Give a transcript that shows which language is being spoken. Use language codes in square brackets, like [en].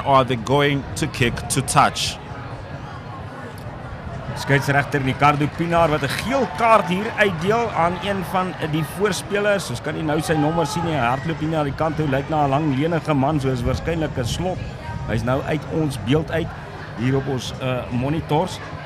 [en] Or are they going to kick to touch? [af] Skeidsrechter Ricardo Pinaar, wat 'n geel kaart hier uitdeel aan een van die voorspelers. Ons kan nie nou sy nommer sien nie. Hy hardloop hier na die kant toe. Lyk na 'n lang lenige man, soos waarskynlik 'n slot. Hy's nou uit ons beeld uit hier op ons monitors.